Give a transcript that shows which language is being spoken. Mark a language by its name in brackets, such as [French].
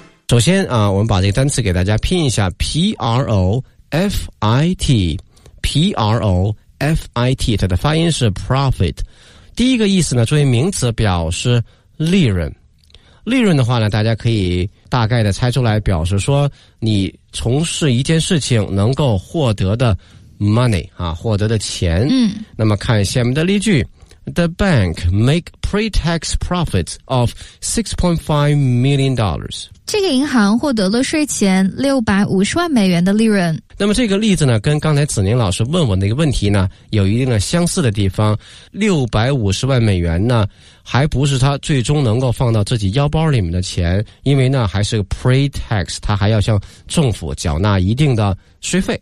[Chinese] 首先啊，我们把这个单词给大家拼一下 ，profit， profit， 它的发音是 profit。第一个意思呢，作为名词表示利润。利润的话呢，大家可以大概的猜出来，表示说你从事一件事情能够获得的 money 啊，获得的钱。嗯。那么看下面的例句。 [English] The bank make pre-tax profits of $6.5 million. [Chinese] 这个银行获得了税前650万美元的利润。那么这个例子呢，跟刚才子宁老师问我那个问题呢，有一定的相似的地方。 650万美元呢，还不是他最终能够放到自己腰包里面的钱，因为呢，还是 pre-tax， 他还要向政府缴纳一定的税费。